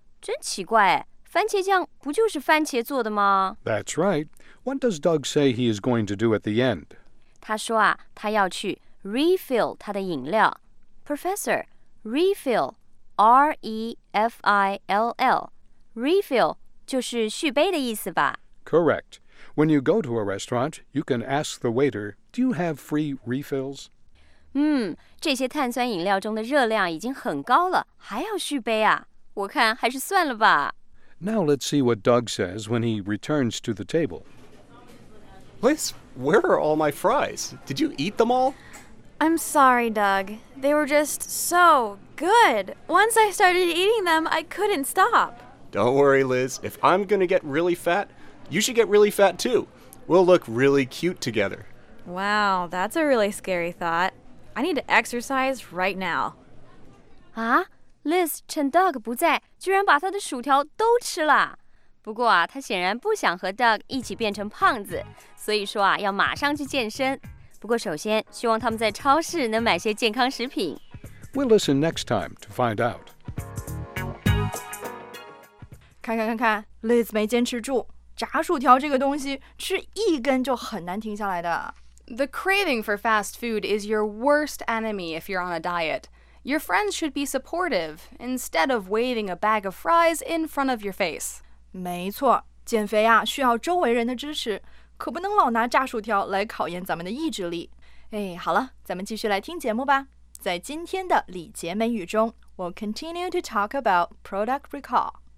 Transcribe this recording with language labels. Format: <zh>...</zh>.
<zh>真奇怪，番茄酱不就是番茄做的吗？</zh> <en>That's right. What does Doug say he is going to do at the end?</en> <zh>他说啊，他要去 refill 他的饮料。</zh> <en>Professor, refill, R-E-F-I-L-L.</en> <zh>Refill 就是续杯的意思吧？</zh> <en>Correct. When you go to a restaurant, you can ask the waiter, do you have free refills?</en> <zh>这些碳酸饮料中的热量已经很高了，还要续杯啊？我看还是算了吧。</zh> <en>Now let's see what Doug says when he returns to the table. Liz, where are all my fries? Did you eat them all? I'm sorry, Doug. They were just so good. Once I started eating them, I couldn't stop. Don't worry, Liz. If I'm going to get really fat, you should get really fat too. We'll look really cute together. Wow, that's a really scary thought. I need to exercise right now.</en> <zh>Huh? Liz 趁 Doug 不在，居然把他的薯条都吃了。不过啊，他显然不想和 Doug 一起变成胖子，所以说啊，要马上去健身。不过首先，希望他们在超市能买些健康食品。</zh> <en>We'll listen next time to find out.</en> <zh>看看 ，Liz 没坚持住。炸薯条这个东西，吃一根就很难停下来的。</zh> <en>The craving for fast food is your worst enemy if you're on a diet. Your friends should be supportive instead of waving a bag of fries in front of your face.</en> <zh>没错，减肥啊需要周围人的支持，可不能老拿炸薯条来考验咱们的意志力。哎，好了，咱们继续来听节目吧。在今天的礼节美语中</zh> <en>，We'll continue to talk about product recall.</en>